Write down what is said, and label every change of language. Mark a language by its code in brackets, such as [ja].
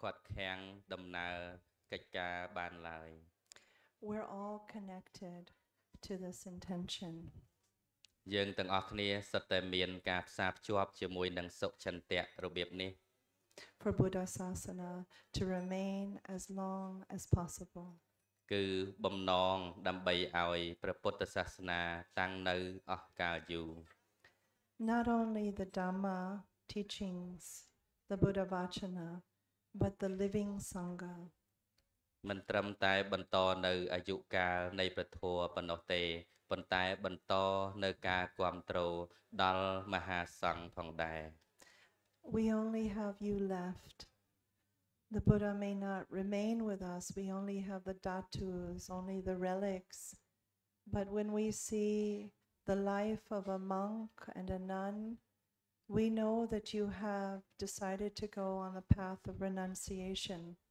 [km] ខ្ញុំប្រកាសណានាងខ្ញុំជឿជាក់ទៅលើសុឆន្ទៈដែលយើងមានទោះបីជាត្រូវជួបឧបសគ្គរារាំងយ៉ាងណាក៏មិនអាចខាត់ខាំងដំណើរកិច្ចការបានឡើយ. យើង ទាំង អស់ គ្នា សុទ្ធ តែ មាន ការ ផ្សារ ភ្ជាប់ ជាមួយ នឹង សុឆន្ទៈ របៀប នេះ [en] For Buddha Sasana to remain as long as possible. [km] គឺ បំណង ដើម្បី ឲ្យ ព្រះពុទ្ធ សាសនា តាំង នៅ អស់ កាល យូរ. [en] Not only the Dhamma teachings, the Buddha Vachana, but the living Sangha. [km] មិន ត្រឹម តែ បន្ត នៅ អាយុ កាល នៃ ព្រះធម៌ ប៉ុណ្ណោះ ទេ ប៉ុន្តែ បន្ត នៅ ការ គ្រប់គ្រង ដល់ មហា សង្ឃ ផង ដែរ. [en] We only have you left. The Buddha may not remain with us. We only have the dhatus, only the relics. But when we see the life of a monk and a nun, we know that you have decided to go on the path of renunciation.